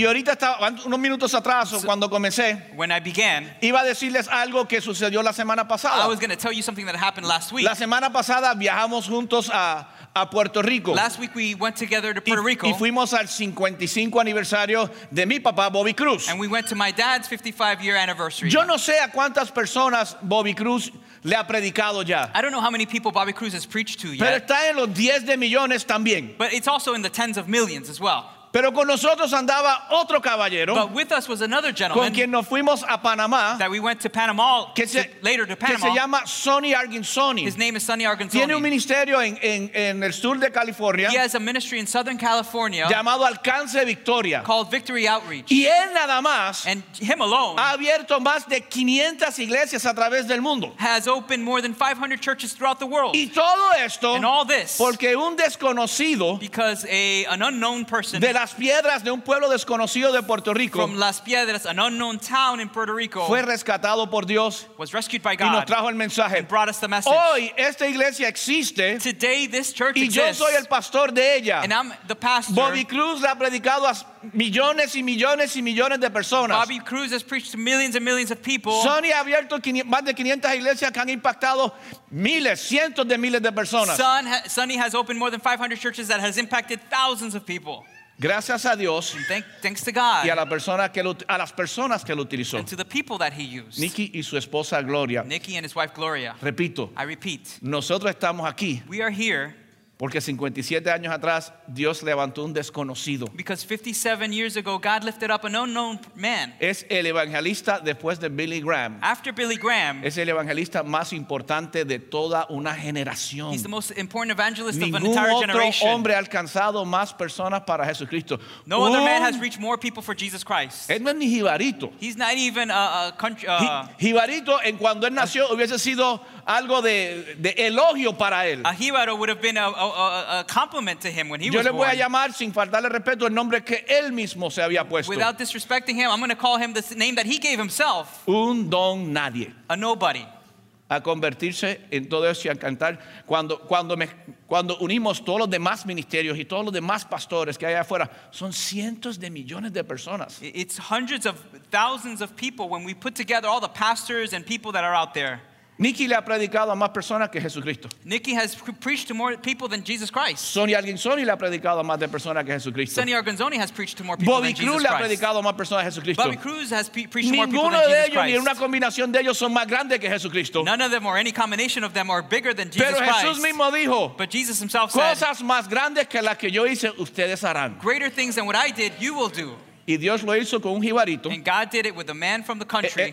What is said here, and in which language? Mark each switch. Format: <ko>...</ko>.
<es>Y ahorita estaba unos minutos atrás cuando comencé.</es> <en>When I began,</en> <es>iba a decirles algo que sucedió la semana pasada.</es> <en>I was going to tell you something that happened last week.</en> <es>La semana pasada viajamos juntos a Puerto Rico.</es> <en>Last week we went together to Puerto Rico.</en> <es>Y fuimos al 55 aniversario de mi papá Bobby Cruz.</es> <en>And we went to my dad's 55 year anniversary.</en> <es>Yo no sé a cuántas personas Bobby Cruz le ha predicado ya.</es> <en>I don't know how many people Bobby Cruz has preached to yet.</en> <es>Pero está en los 10 de millones también.</es> <en>But it's also in the tens of millions as well.</en> <es>Pero con nosotros andaba otro caballero.</es> <en>But with us was another gentleman.</en> <es>Con quien nos fuimos a Panamá.</es> <en>That we went to Panama. Later to Panama.</en> <es>Que se llama Sonny Argenzoni.</es> <en>His name is Sonny Argenzoni.</en> <es>Tiene un ministerio en el sur de California.</es> <en>He has a ministry in Southern California.</en> <es>Llamado Alcance Victoria.</es> <en>Called Victory Outreach.</en> <es>Y él nada más.</es> <en>And him alone.</en> <es>Ha abierto más de 500 iglesias a través del mundo.</es> <en>Has opened more than 500 churches throughout the world.</en> <es>Y todo esto.</es> <en>And all this.</en> <es>Porque un desconocido.</es> <en>Because an unknown person.</en> <es>De Las Piedras, de un pueblo desconocido de Puerto Rico.</es> <en>From Las Piedras, an unknown town in Puerto Rico.</en> <es>Fue rescatado por Dios.</es> <en>Was rescued by God.</en> <es>Y nos trajo el mensaje.</es> <en>And brought us the message.</en> <es>Hoy, esta iglesia existe.</es> <en>Today, this church exists.</en> <es>Y yo soy el pastor de ella.</es> <en>And I'm the pastor.</en> <es>Bobby Cruz le ha predicado a millones y millones y millones de personas.</es> <en>Bobby Cruz has preached to millions and millions of people.</en> <es>Sonny ha abierto más de 500 iglesias que han impactado miles, cientos de miles de personas.</es> <en>Sonny has opened more than 500 churches that has impacted thousands of people.</en> <es>Gracias a Dios</es> <en>thanks to God,</en> <es>y a las personas que lo utilizó.</es> <en>And to the people that he used.</en> <es>Nikki y su esposa Gloria.</es> <en>Nikki and his wife Gloria.</en> <es>Repito.</es> <en>I repeat.</en> <es>Nosotros estamos aquí.</es> <en>We are here.</en> <es>Porque 57 años atrás Dios levantó un desconocido.</es> <en>Because 57 years ago God lifted up an unknown man.</en> <es>Es el evangelista después de Billy Graham.</es> <en>After Billy Graham.</en> <es>Es el evangelista más importante de toda una generación.</es> <en>He's the most important evangelist</en> <es>Ningún</es> <en>of an entire generation.</en> <es>Ningún otro hombre ha alcanzado más personas para Jesucristo.</es> <en>No other man has reached more people for Jesus Christ.</en> <es>Él no es ni jibarito.</es> <en>He's not even a country.</en> <es>Jibarito en cuando él nació hubiese sido algo de elogio para él.</es> <en>A jibaro would have been a compliment to him when he</en> <es>yo</es> <en>was</en> <es>le voy</es> <en>born.</en> <es>A llamar sin faltarle respeto el nombre que él mismo se había puesto.</es> <en>Without disrespecting him, I'm going to call him the name that he gave himself.</en> <es>Un don nadie.</es> <en>A nobody.</en> <es>A convertirse en todo eso y a cantar cuando unimos todos los demás ministerios y todos los demás pastores que hay afuera son cientos de millones de personas.</es> <en>It's hundreds of thousands of people when we put together all the pastors and people that are out there.</en> <es>Nikki le ha predicado a más personas que Jesucristo.</es> <en>Nikki has preached to more people than Jesus Christ.</en> <es>Sonny Argenzoni le ha predicado a más de personas que Jesucristo.</es> <en>Sonny Argenzoni has preached to more people than Jesus Christ.</en> <es>Le ha predicado a más personas que Jesucristo.</es> <en>Bobby Cruz has preached to more people than Jesus Christ. Ninguno de ellos ni una combinación de ellos son más grandes que Jesucristo. None of them or any combination of them are bigger than Jesus</en> <es>Christ. Pero Jesús mismo dijo,</es> <en>but Jesus himself said,</en> <es>cosas más grandes que las que yo hice, ustedes harán.</es> <en>Greater things than what I did, you will do.</en> <es>Y Dios lo hizo con un jibarito.</es> <en>And God did it with a man from the country.</en>